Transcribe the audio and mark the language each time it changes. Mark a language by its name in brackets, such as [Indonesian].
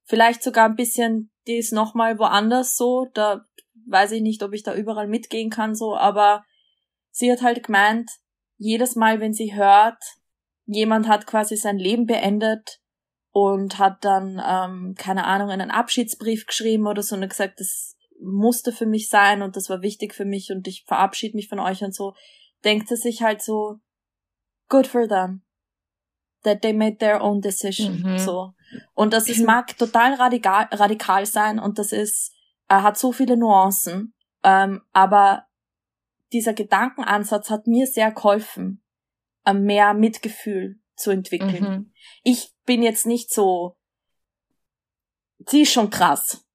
[German] Vielleicht sogar ein bisschen, die ist nochmal woanders so, da weiß ich nicht, ob ich da überall mitgehen kann so, aber sie hat halt gemeint, jedes Mal, wenn sie hört, jemand hat quasi sein Leben beendet und hat dann, keine Ahnung, einen Abschiedsbrief geschrieben oder so und gesagt, das musste für mich sein und das war wichtig für mich und ich verabschiede mich von euch und so, denkt sie sich halt so, [English] good for them. That they made their own decision, so. [German] Und das ist, mag total radikal sein und das ist, hat so viele Nuancen, aber dieser Gedankenansatz hat mir sehr geholfen, mehr Mitgefühl zu entwickeln. Ich bin jetzt nicht so, sie ist schon krass.